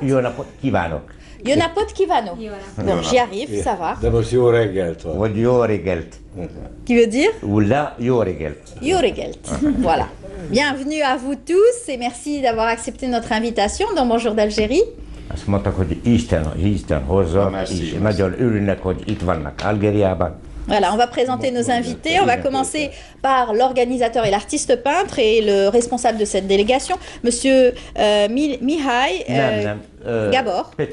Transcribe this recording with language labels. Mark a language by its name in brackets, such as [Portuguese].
[Hungarian] Yonapot kívánok. Yonapot kívánok. [French] Bon, j'y arrive, ça va. D'abord, c'est [Hungarian] jó reggelt. Vagy jó reggelt. [French] Qui veut dire? [Hungarian] Ula jó reggelt. Jó reggelt. Voilà. [French] Bienvenue à vous tous et merci d'avoir accepté notre invitation dans Bonjour d'Algérie. [Hungarian] Azt mondtak, hogy Isten hozzon, és nagyon örülnek, hogy itt vannak Algériában. [French] Voilà, on va présenter nos invités. On va commencer par l'organisateur et l'artiste peintre et le responsable de cette délégation, Monsieur Mihai Gabor.